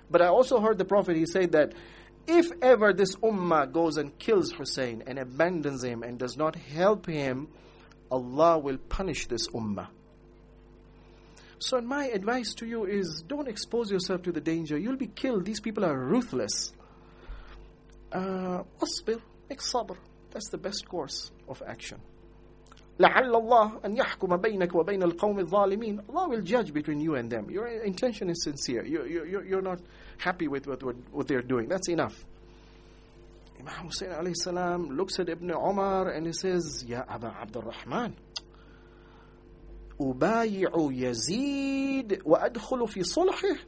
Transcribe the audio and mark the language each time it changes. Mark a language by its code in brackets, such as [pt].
[en] But I also heard the Prophet, he said that if ever this ummah goes and kills Hussein and abandons him and does not help him, Allah will punish this ummah. So my advice to you is, don't expose yourself to the danger. You'll be killed. These people are ruthless. Asbir, make sabr. That's the best course of action. [ar] لعل الله أن يحكم بينك وبين القوم الظالمين. [en] Allah will judge between you and them. Your intention is sincere. You're not happy with what they're doing. That's enough. Imam Hussein alayhi salam looks at Ibn Umar and he says, [ar] Ya Aba Abdurrahman, Ubayi'u Yazid wa adkhulu fi sulhih.